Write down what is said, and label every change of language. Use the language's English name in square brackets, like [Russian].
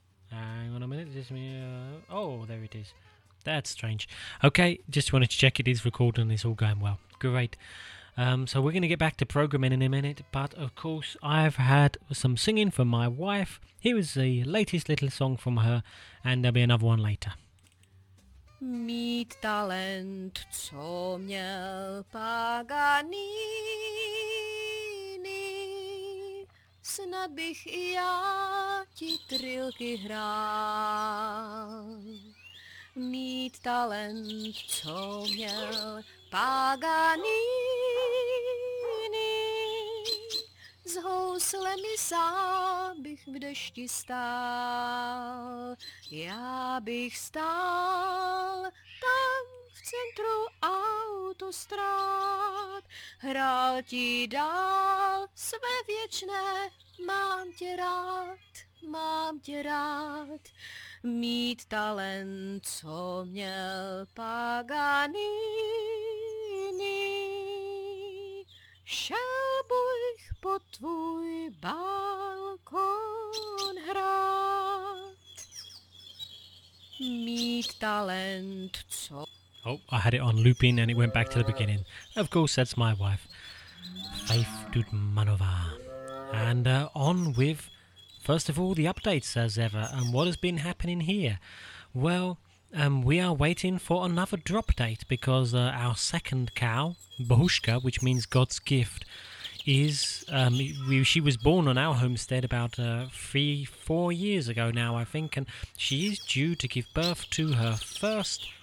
[English] Hang on a minute, just me. Oh, there it is. That's strange. Okay, just wanted to check it is recording and it's all going well. Great. So we're going to get back to programming in a minute, but of course I've had some singing from my wife. Here is the latest little song from her, and there'll be another one later. [Czech] Mít talent, co měl Paganini, snad bych i já ti trilky hrál. Mít talent, co měl Paganini, s houslemi sám bych v dešti stál. Já bych stál tam v centru autostrád, hrál ti dál své věčné, mám tě rád, mám tě rád. Mít talent, co měl Paganini, šel bych po tvůj balkon hrát. Mít talent, co... [English] Oh, I had it on looping and it went back to the beginning. Of course, that's my wife, Faith Dudmanová. And on with... First of all, the updates as ever, and what has been happening here? Well, we are waiting for another drop date, because our second cow, Bohushka, which means God's gift, is she was born on our homestead about 3-4 years ago now, I think, and she is due to give birth to her first.